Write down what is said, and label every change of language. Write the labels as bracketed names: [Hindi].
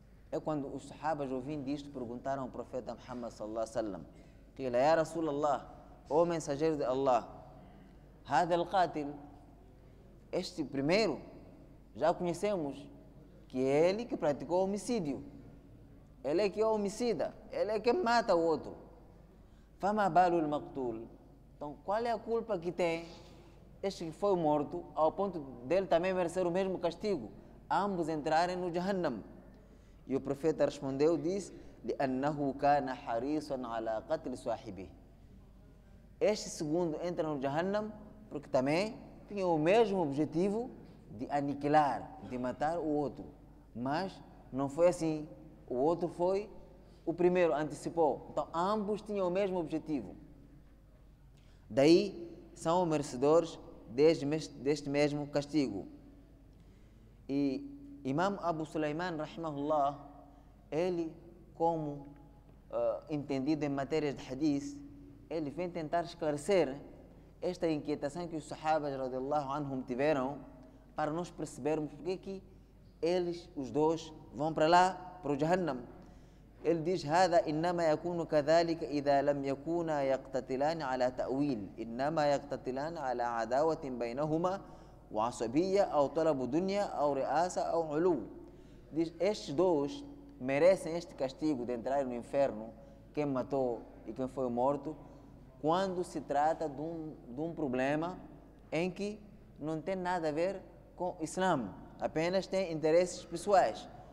[Portuguese] É quando os sahabas ouvindo isto perguntaram ao profeta Muhammad sallallahu alaihi wasallam, [Arabic] qila ya Rasulallah, [Portuguese] o mensageiro de Allah, [Arabic] hadha al-qatil, [Portuguese] este primeiro, já conhecemos que é ele que praticou o homicídio. Ele é que é homicida, ele é quem mata o outro. [Arabic] Fama balu al-maqtul. [Portuguese] Então, qual é a culpa que tem este que foi morto, ao ponto dele também merecer o mesmo castigo? Ambos entrarem no Jahannam. E o profeta respondeu, disse, [Arabic] لِأَنَّهُ كَانَ حَرِيصًا عَلَى قَتْلِ صَاحِبِهِ. [Portuguese] Este segundo entra no Jahannam, porque também tinha o mesmo objetivo de aniquilar, de matar o outro. Mas não foi assim. O outro foi o primeiro, antecipou. Então, ambos tinham o mesmo objetivo. Daí, são merecedores deste mesmo castigo. E Imam Abu Sulaiman, rahimahullah, ele, como entendido em matérias de hadith, ele vem tentar esclarecer esta inquietação que os sahabas, radiallahu anhum, tiveram, para nós percebermos porque que eles, os dois, vão para lá, para o Jahannam. Ele diz, [Arabic] هذا إنما يكون كذلك إذا لم يكونا يقتتلان على تأويل إنما يقتتلان على عداوة بينهما وعصبية أو طلب دنيا أو رئاسة أو علو. [Portuguese] Diz, estes dois merecem este castigo de entrar no inferno, quem matou e quem foi morto, quando se trata de um problema em que não tem nada a ver com o Islam, apenas tem interesses pessoais.